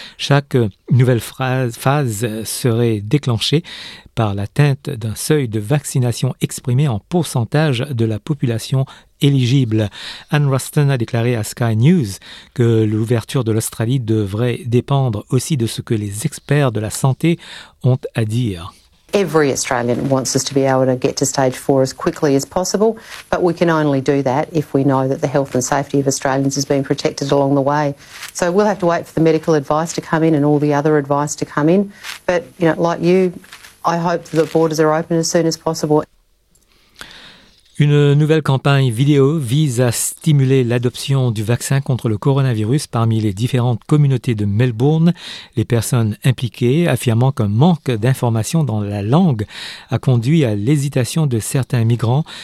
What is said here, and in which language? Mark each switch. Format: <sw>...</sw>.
<fr>Chaque nouvelle phase serait déclenchée par l'atteinte d'un seuil de vaccination exprimé en pourcentage de la population éligible. Anne Ruston a déclaré à Sky News que l'ouverture de l'Australie devrait dépendre aussi de ce que les experts de la santé ont à dire.</fr> <en>Every Australian wants us to be able to get to stage 4 as quickly as possible, but we can only do that if we know that the health and safety of Australians is being protected along the way. So we'll have to wait for the medical advice to come in and all the other advice to come in, but you know, like you, I hope that the borders are open as soon as possible.</en> <fr>Une nouvelle campagne vidéo vise à stimuler l'adoption du vaccin contre le coronavirus parmi les différentes communautés de Melbourne. Les personnes impliquées affirmant qu'un manque d'informations dans la langue a conduit à l'hésitation de certains migrants.</fr>